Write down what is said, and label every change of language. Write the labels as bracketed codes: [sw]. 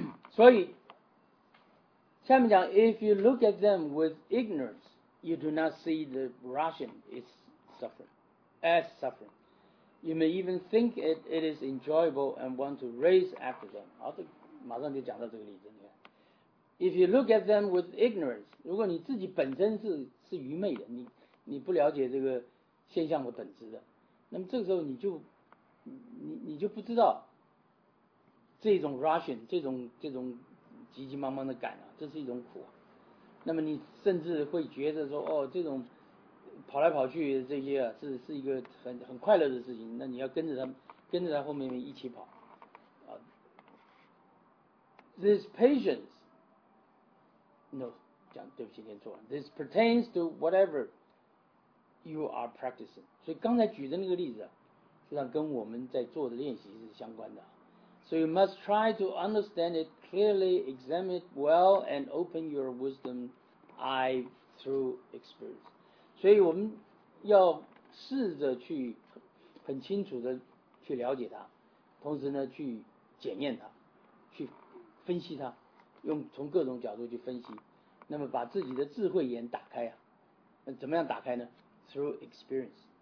[en] 所以下面讲，If you look at them with ignorance, you do not see the Russian is suffering. You may even think it is enjoyable and want to race after them. [zh] 好，这马上就讲到这个例子。 If you look at them with ignorance, 如果你自己本身是愚昧的，你不了解这个现象的本质的，那么这个时候你就不知道这种 Russian 这种急急忙忙的赶啊，这是一种苦。那么你甚至会觉得说，哦，这种跑来跑去的这些啊，是一个很快乐的事情。那你要跟着他后面一起跑啊。 [en] This patience, no，讲对不起，念错了。 This pertains to whatever you are practicing。 [zh] 所以刚才举的那个例子啊，实际上跟我们在做的练习是相关的。 [en] So you must try to understand it clearly, examine it well, and open your wisdom eye through experience. [zh] 所以我们要试着去很清楚的去了解它，同时呢去检验它，去分析它，用从各种角度去分析，那么把自己的智慧眼打开啊。那怎么样打开呢？ Through experience。